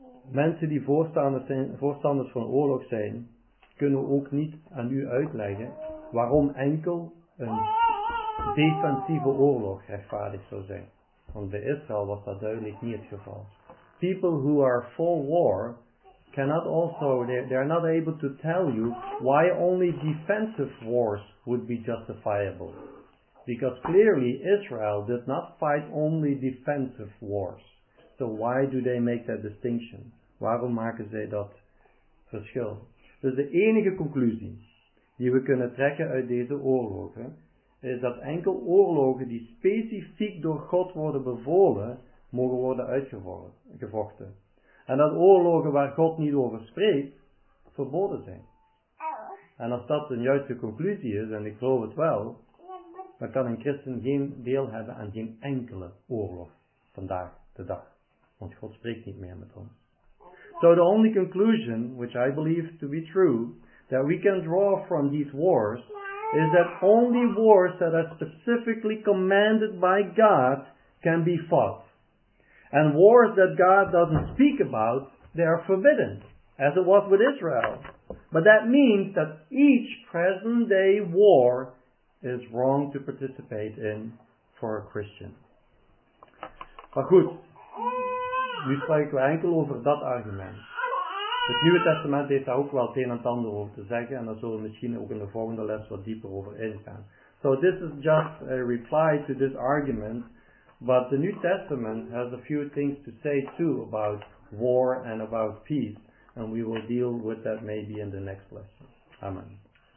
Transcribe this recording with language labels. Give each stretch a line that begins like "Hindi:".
Dutch: Mensen die voorstanders van oorlog zijn, kunnen ook niet aan u uitleggen waarom enkel een defensieve oorlog rechtvaardig zou zijn. Want bij Israël was dat duidelijk niet het geval.
English: People who are for war cannot also, they are not able to tell you why only defensive wars would be justifiable. Because clearly Israel did not fight only defensive wars. So why do they make that distinction?
Dutch: Waarom maken zij dat verschil? Dus de enige conclusie die we kunnen trekken uit deze oorlogen, is dat enkel oorlogen die specifiek door God worden bevolen, mogen worden uitgevochten. En dat oorlogen waar God niet over spreekt, verboden zijn. En als dat een juiste conclusie is, en ik geloof het wel, dan kan een christen geen deel hebben aan geen enkele oorlog vandaag de dag. Want God spreekt niet meer met ons.
English: So the only conclusion, which I believe to be true, that we can draw from these wars, is that only wars that are specifically commanded by God can be fought. And wars that God doesn't speak about, they are forbidden, as it was with Israel. But that means that each present day war is wrong to participate in for a Christian.
Dutch: Maar goed, nu spreken we enkel over dat argument. Het Nieuwe Testament heeft daar ook wel het een en ander over te zeggen, en daar zullen we misschien ook in de volgende les wat dieper over ingaan.
English: So this is just a reply to this argument, but the New Testament has a few things to say too about war and about peace, and we will deal with that maybe in the next lesson. Amen.